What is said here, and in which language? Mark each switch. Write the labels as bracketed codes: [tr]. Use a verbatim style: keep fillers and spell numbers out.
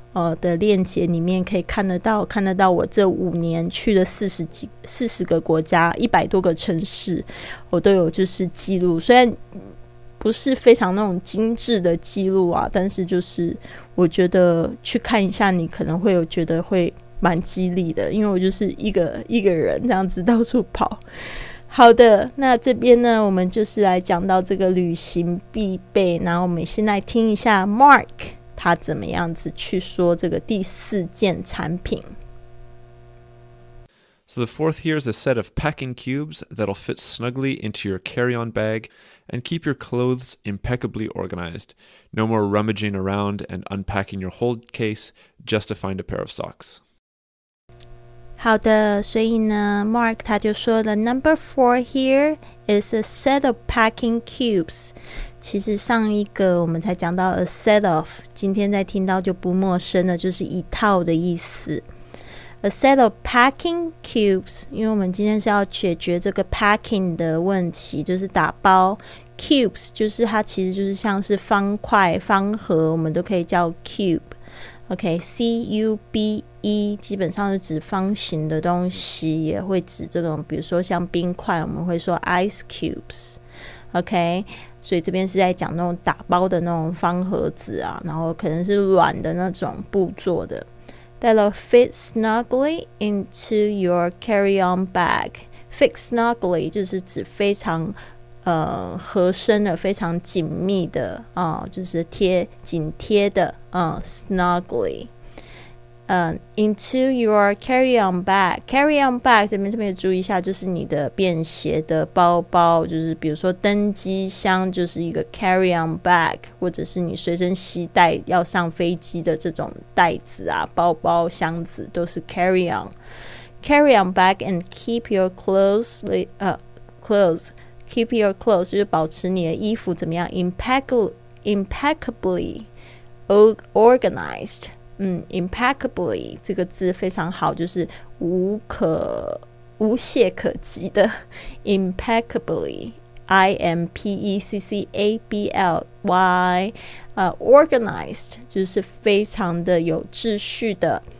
[zh] 呃的链接里面可以看得到，看得到我这五年去了四十几四十个国家，一百多个城市，我都有就是记录，虽然不是非常那种精致的记录啊，但是就是我觉得去看一下，你可能会有觉得会蛮激励的，因为我就是一个一个人这样子到处跑。好的，那这边呢，我们就是来讲到这个旅行必备，然后我们先来听一下 Mark 他怎么样子去说这个第四件产品。 [en] So the fourth here is a set of packing cubes that'll fit snugly into your carry-on bag and keep your clothes impeccably organized. No more rummaging around and unpacking your whole case just to find a pair of socks. [zh] 好的，所以呢 Mark 他就说了 [en] Number four here is a set of packing cubes。 [zh] 其实上一个我们才讲到 a set of， 今天再听到就不陌生了，就是一套的意思。 A set of packing cubes， 因为我们今天是要解决这个 packing 的问题，就是打包。 Cubes 就是它其实就是像是方块方盒，我们都可以叫 cube。 OK， C U B E基本上是指方形的东西，也会指这种比如说像冰块，我们会说 ice cubes。 OK， 所以这边是在讲那种打包的那种方盒子啊，然后可能是软的那种布做的。 [en] That'll fit snugly into your carry-on bag。 [zh] Fit snugly 就是指非常呃合身的，非常紧密的啊、呃，就是贴紧贴的啊、呃、snugly Uh, into your carry-on bag。 Carry-on bag 这边特别注意一下，就是你的便携的包包，就是比如说登机箱就是一个 carry-on bag， 或者是你随身携带要上飞机的这种袋子啊，包包箱子都是 carry-on carry-on bag。 and keep your clothes、uh, clothes keep your clothes 就是保持你的衣服怎么样 impeccably impeccably organized。嗯 impeccably 这个字非常好，就是无可无懈可击的 impeccably I M P E C C A B L Y、uh, organized 就是非常的有秩序的。